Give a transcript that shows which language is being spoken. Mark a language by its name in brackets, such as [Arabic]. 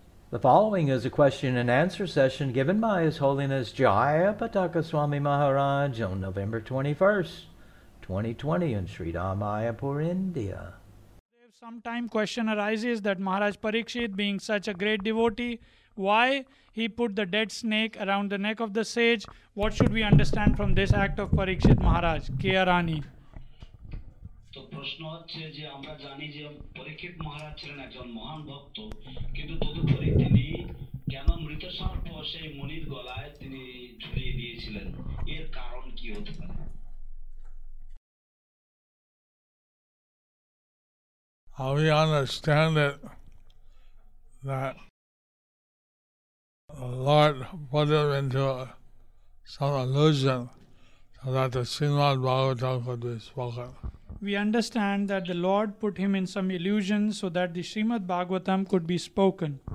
[English] The following is a question and answer session given by His Holiness Jayapataka Swami Maharaj on November 21st, 2020 in Sridhar, Mayapur, India. Sometime question arises that Maharaj Parikshit, being such a great devotee, why he put the dead snake around the neck of the sage? What should we understand from this act of Parikshit Maharaj? Kiarani. [Bangla] তো প্রশ্ন হচ্ছে যে আমরা জানি যে পরীক্ষিত মহারাজ ছিলেন একজন মহান ভক্ত কিন্তু তদুপরি তিনি কেন মৃত সর্প সেই মনির গলায় তিনি ঝুলিয়ে দিয়েছিলেন এর কারণ কি হতে পারে [English] How we understand it that the Lord put him into some illusion so that the Srimad Bhagavatam could be spoken. We understand that the Lord put him in some illusion so that the Srimad Bhagavatam could be spoken.